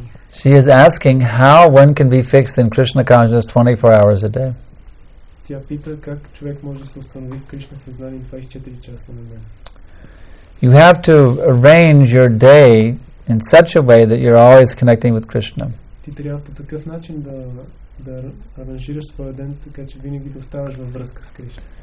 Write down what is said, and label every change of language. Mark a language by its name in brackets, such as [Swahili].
[English] She is asking how one can be fixed in Krishna consciousness 24 hours a day. [Bulgarian] Тя пита как човек може да се установи в Кришна съзнание 24 часа на ден. [English] You have to arrange your day in such a way that you're always connecting with Krishna. [Bulgarian] Ти трябва по такъв начин да аранжираш своя ден, така че винаги да оставаш във връзка с Кришна.